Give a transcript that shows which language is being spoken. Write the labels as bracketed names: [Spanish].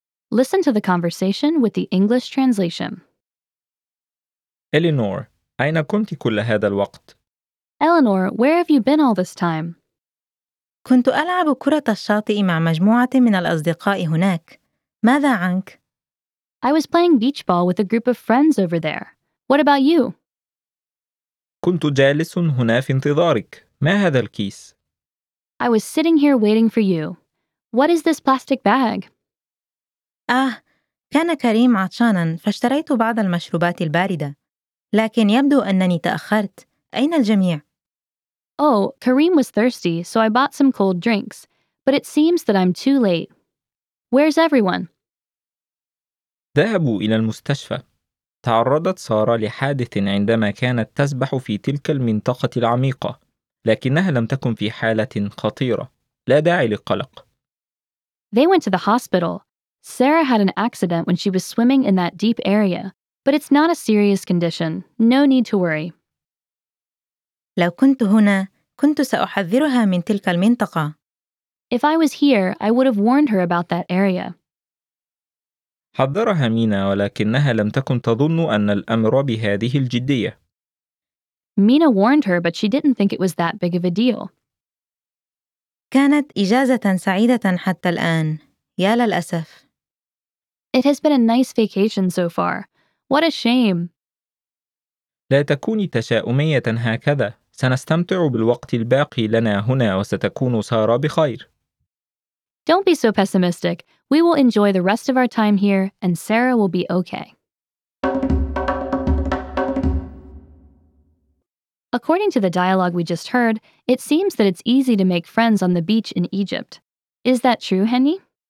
[English] Listen to the conversation with the English translation. [Arabic] Eleanor, أين كنت كل هذا الوقت؟ [English] Eleanor, where have you been all this time? [Arabic] كنت ألعب كرة الشاطئ مع مجموعة من الأصدقاء هناك. ماذا عنك؟ [English] I was playing beach ball with a group of friends over there. What about you? [Arabic] كنت جالس هنا في انتظارك. ما هذا الكيس؟ [English] I was sitting here waiting for you. What is this plastic bag? [Arabic] كان كريم عطشاناً فاشتريت بعض المشروبات الباردة. لكن يبدو أنني تأخرت. أين الجميع؟ [English] Karim was thirsty, so I bought some cold drinks. But it seems that I'm too late. Where's everyone? [Arabic] ذهبوا إلى المستشفى. تعرضت سارة لحادث عندما كانت تسبح في تلك المنطقة العميقة. لكنها لم تكن في حالة خطيرة. لا داعي للقلق. [English] They went to the hospital. Sarah had an accident when she was swimming in that deep area, but it's not a serious condition. No need to worry. [Arabic] لو كنت هنا, كنت سأحذرها من تلك المنطقة. [English] If I was here, I would have warned her about that area. [Arabic] حذرها مينا, ولكنها لم تكن تظن أن الأمر بهذه الجدية. [English] Mina warned her, but she didn't think it was that big of a deal. [Arabic] كانت إجازة سعيدة حتى الآن. يا للأسف. [English] It has been a nice vacation so far. What a shame. [Arabic] لا تكوني تشاؤمية هكذا. سنستمتع بالوقت الباقي لنا هنا وستكون سارة بخير. [English] Don't be so pessimistic. We will enjoy the rest of our time here and Sarah will be okay. According to the dialogue we just heard, it seems that it's easy to make friends on the beach in Egypt. Is that true, Henny?